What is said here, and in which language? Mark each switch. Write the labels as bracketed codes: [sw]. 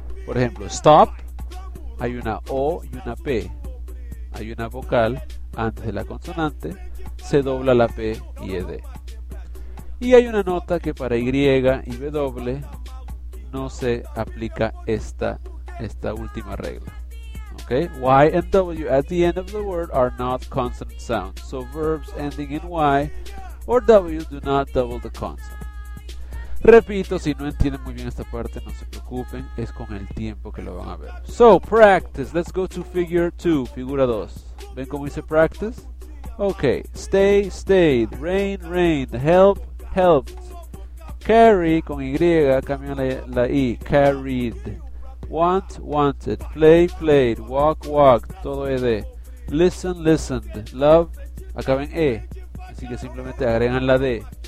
[es] Por ejemplo, stop, hay una O y una P. Hay una vocal antes de la consonante, se dobla la P y ed. Y hay una nota que para Y y W no se aplica esta última regla. [en] Okay? Y and W at the end of the word are not consonant sounds, so verbs ending in Y or W do not double the consonant. [es] Repito, si no entienden muy bien esta parte, no se preocupen, es con el tiempo que lo van a ver. [en] So, practice, let's go to figure 2, [es] figura 2. ¿Ven cómo dice practice? Okay, stay, stayed, rain, rained, help, helped, carry, con Y, cambia la I, carried, want, wanted, play, played, walk, walked, todo ed, listen, listened, love, acaba en e, así que simplemente agregan la d,